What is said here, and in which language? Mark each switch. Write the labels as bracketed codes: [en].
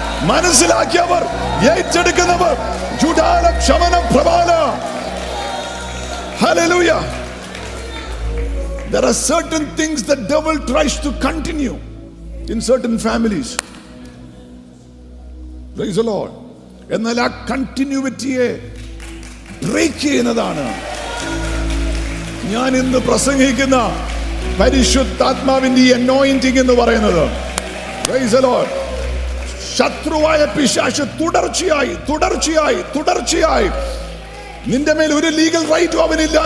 [ml] മനസ്സിലാക്കിയവർ, ഏറ്റെടുക്കുന്നവർ, ജുഡാല ക്ഷമന പ്രബാല. Hallelujah. [en] There are certain things the devil tries to continue in certain families. Praise the Lord. [ml] എന്നാൽ ആ കണ്ടിന്യൂവിറ്റിയെ break ചെയ്യുന്നതാണ് ഞാൻ ഇന്ന് പ്രസംഗിക്കുന്ന പരിശുദ്ധാത്മാവിന്റെ ഈ അനോയിന്റിംഗ് എന്ന് പറയുന്നത്. [en] Praise the Lord. [ml] ശത്രുവായ പിശാച് തുടർച്ചയായി നിന്റെ മേൽ ഒരു ലീഗൽ റൈറ്റും അവനില്ല.